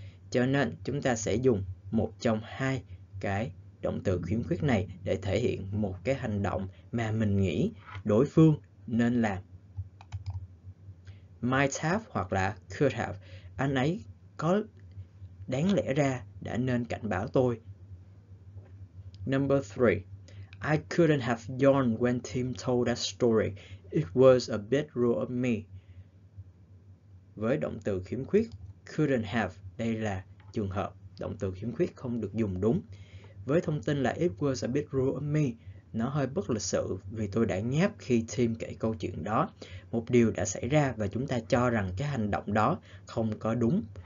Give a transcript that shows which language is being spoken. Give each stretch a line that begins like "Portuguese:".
Vietnamese: Cho nên chúng ta sẽ dùng một trong hai cái động từ khiếm khuyết này để thể hiện một cái hành động mà mình nghĩ đối phương nên làm. Might have hoặc là could have. Anh ấy có đáng lẽ ra đã nên cảnh báo tôi.
English: Number 3. I couldn't have yawned when Tim told that story. It was a bit rude of me.
Vietnamese: Với động từ khiếm khuyết couldn't have, đây là trường hợp động từ khiếm khuyết không được dùng đúng. Với thông tin là
English: it was a bit rude of me,
Vietnamese: nó hơi bất lịch sự vì tôi đã ngáp khi Tim kể câu chuyện đó. Một điều đã xảy ra và chúng ta cho rằng cái hành động đó không có đúng.